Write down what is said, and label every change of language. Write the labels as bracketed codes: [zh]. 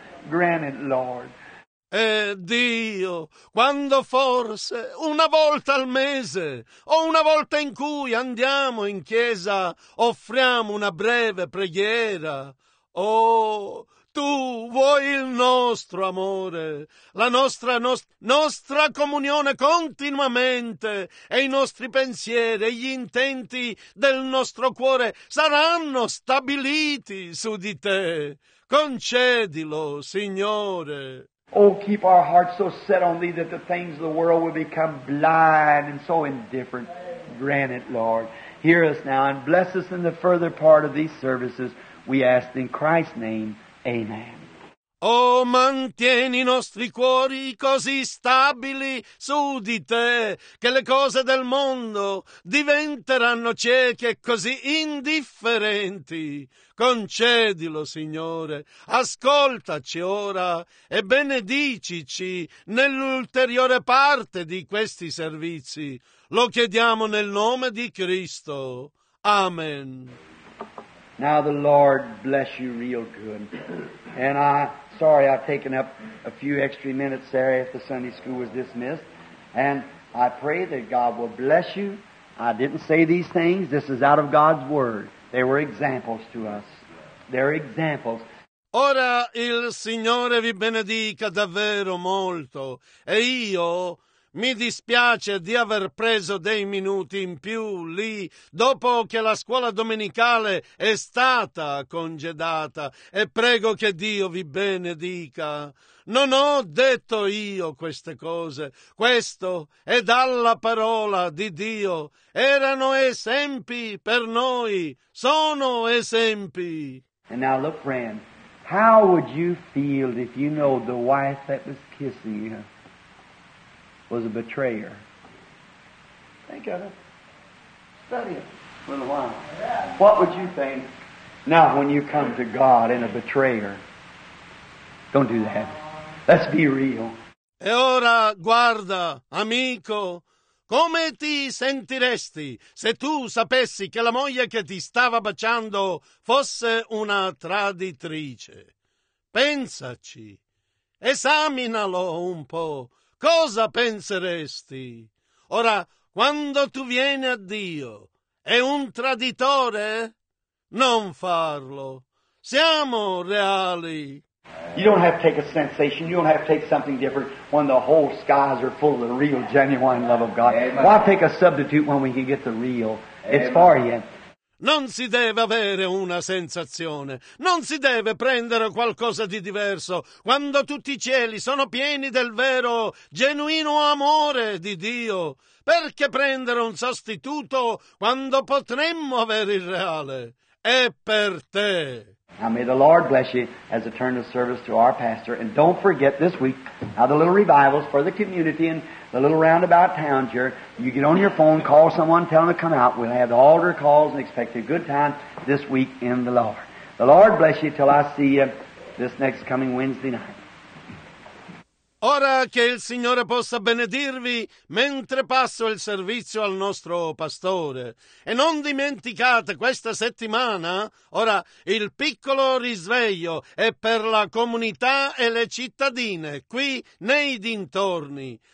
[en] Grant it, Lord. [it] E Dio, quando forse una volta al mese o una volta in cui andiamo in chiesa offriamo una breve preghiera, oh, tu vuoi il nostro amore, la nostra nostra comunione continuamente, e i nostri pensieri e gli intenti del nostro cuore saranno stabiliti su di te. Concedilo, Signore. [en] Oh, keep our hearts so set on thee that the things of the world will become blind and so indifferent. Grant it, Lord. Hear us now and bless us in the further part of these services. We ask in Christ's name. Amen. [it] Oh, mantieni i nostri cuori così stabili su di te che le cose del mondo diventeranno cieche e così indifferenti. Concedilo, Signore, ascoltaci ora e benedicici nell'ulteriore parte di questi servizi. Lo chiediamo nel nome di Cristo. Amen. [en] Now the Lord bless you real good. And I'm sorry I've taken up a few extra minutes there if the Sunday school was dismissed. And I pray that God will bless you. I didn't say these things. This is out of God's Word. They were examples to us. They're examples. [it] Ora il Signore vi benedica davvero molto. E io mi dispiace di aver preso dei minuti in più lì, dopo che la scuola domenicale è stata congedata, e prego che Dio vi benedica. Non ho detto io queste cose, questo è dalla parola di Dio. Erano esempi per noi, sono esempi. [en] And now look, friend, how would you feel if you know the wife that was kissing you was a betrayer? Think of it. Study it for a little while. Yeah. What would you think now when you come to God in a betrayer? Don't do that. Let's be real. [it] E ora, guarda, amico, come ti sentiresti se tu sapessi che la moglie che ti stava baciando fosse una traditrice? Pensaci. Esaminalo un po'. Cosa penseresti? Ora, quando tu vieni a Dio, è un traditore? Non farlo. Siamo reali. [en] You don't have to take a sensation. You don't have to take something different when the whole skies are full of the real, genuine love of God. Amen. Why take a substitute when we can get the real? Amen. It's far yet. [it] Non si deve avere una sensazione, non si deve prendere qualcosa di diverso, quando tutti i cieli sono pieni del vero, genuino amore di Dio. Perché prendere un sostituto quando potremmo avere il reale? È per te. [en] Now may the Lord bless you as a turn of service to our pastor. And don't forget this week, now the little revivals for the community and the little roundabout towns here. You get on your phone, call someone, tell them to come out. We'll have the altar calls and expect a good time this week in the Lord. The Lord bless you till I see you this next coming Wednesday night. [it] Ora che il Signore possa benedirvi mentre passo il servizio al nostro pastore. E non dimenticate, questa settimana, ora, il piccolo risveglio è per la comunità e le cittadine qui nei dintorni.